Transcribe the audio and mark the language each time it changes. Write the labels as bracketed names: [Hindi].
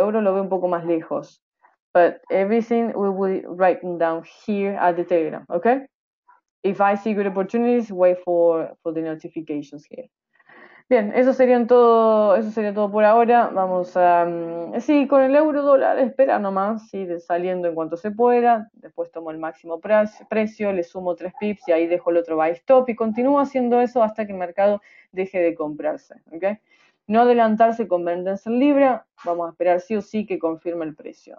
[Spanish] Euro lo ve un poco más lejos. [English] But everything we will write down here at the Telegram, okay? If I see good opportunities, wait for the notifications here. [Spanish] Bien, eso sería todo por ahora. Vamos a sí, con el euro dólar, espera nomás, sí, saliendo en cuanto se pueda. Después tomo el máximo precio, le sumo 3 pips y ahí dejo el otro buy stop y continúo haciendo eso hasta que el mercado deje de comprarse, ¿okay? No adelantarse con venderse en libra, vamos a esperar sí o sí que confirme el precio.